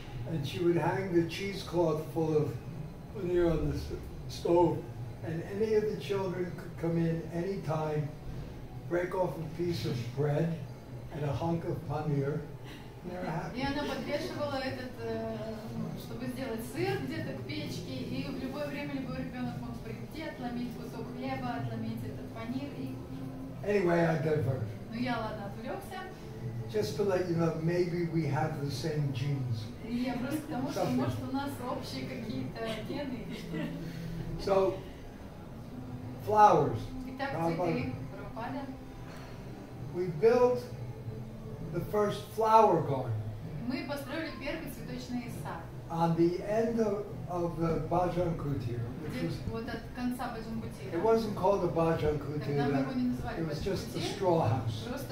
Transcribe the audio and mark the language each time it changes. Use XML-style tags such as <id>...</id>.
<en>And she would hang the cheesecloth full of paneer on the stove. And any of the children could come in any time, break off a piece of bread and a hunk of paneer.</en> <ru>И она подвешивала этот, чтобы сделать сыр где-то к печке, и в любое время любой ребенок мог прийти, отломить кусок хлеба, отломить этот панир.</ru> <en>Anyway, I diverged.</en> <ru>Ну я ладно отвлекся.</ru> <en>Just to let you know, maybe we have the same genes.</en> <ru>Я просто к тому, что может у нас общие какие-то гены.</ru> <en>So, flowers.</en> <ru>Итак, цветы пропали.</ru> <en>We built the first flower garden.</en> <ru>Мы построили первый цветочный сад.</ru> <en>On the end of the Bhajan Kutir, it wasn't called a Bhajan Kutir, it was just a straw house.</en>